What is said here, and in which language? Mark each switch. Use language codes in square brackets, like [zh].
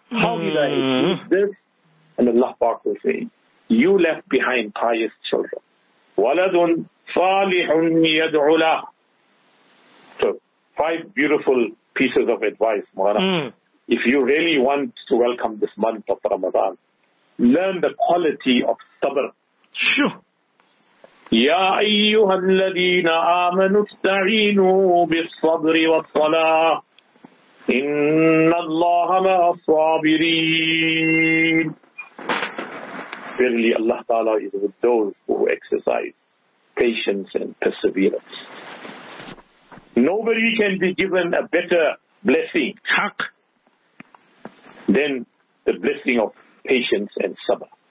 [en] How did I achieve this? And Allah Pak will say, you left behind pious children. [ar] Waladun salihun yad'u lah. [en] So, five beautiful pieces of advice, Mawlana. If you really want to welcome this month of Ramadan, learn the quality of sabr. Sure. [ar] يا أيها الذين آمنوا استعينوا بالصبر والصلاة إن الله مع الصابرين. [en] Verily Allah Ta'ala is with those who exercise patience and perseverance. Nobody can be given a better blessing than the blessing of patience and sabr.